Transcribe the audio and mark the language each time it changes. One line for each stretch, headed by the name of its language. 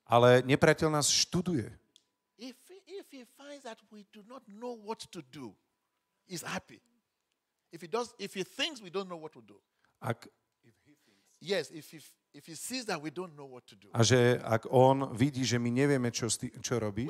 Slovak: Ale nepriateľ nás študuje.
English: If he finds that we do not know what to do, he's happy. If he thinks we don't know what to do. If he sees that we don't know what to do.
Slovak: A že ak on vidí, že my nevieme čo robiť.